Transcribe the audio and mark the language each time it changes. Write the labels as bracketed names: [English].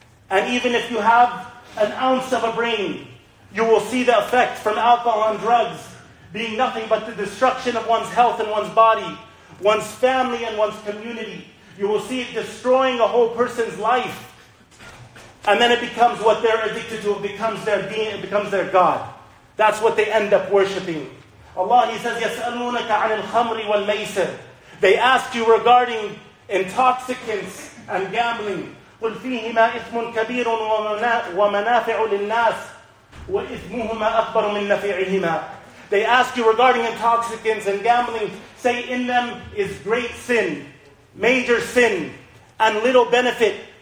[English] And even if you have an ounce of a brain, you will see the effect from alcohol and drugs being nothing but the destruction of one's health and one's body, one's family and one's community. You will see it destroying a whole person's life. And then it becomes what they're addicted to, it becomes their being, it becomes their God. That's what they end up worshipping. [Arabic] Allah, [English] He says, [Arabic] يَسْأَلُونَكَ عَنِ الْخَمْرِ وَالْمَيْسِرِ. [English] They ask you regarding intoxicants and gambling. [Arabic] قُلْ فِيهِمَا إِثْمٌ كَبِيرٌ وَمَنَافِعُ لِلنَّاسِ وَإِثْمُهُمَا أَكْبَرُ مِنْ نَفِعِهِمَا. [English] They ask you regarding intoxicants and gambling. Say, in them is great sin, major sin, and little benefit.